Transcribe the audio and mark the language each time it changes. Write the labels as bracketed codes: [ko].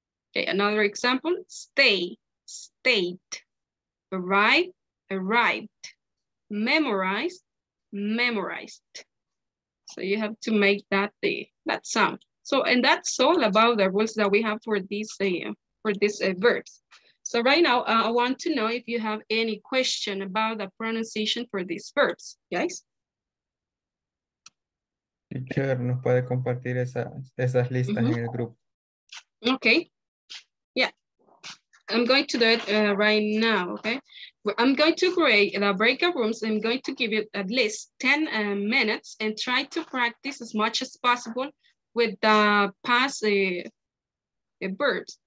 [en] Okay, another example, stay, state, arrive, arrived, memorize, memorized. So you have to make that the that sound. So, and that's all about the rules that we have for this verbs. So right now, I want to know if you have any question about the pronunciation for these verbs, guys. [es] Teacher, ¿nos puede compartir esas listas en el grupo? [en] Okay. Yeah. I'm going to do it right now, okay? I'm going to create the breakout rooms. I'm going to give you at least 10 minutes and try to practice as much as possible with the past verbs.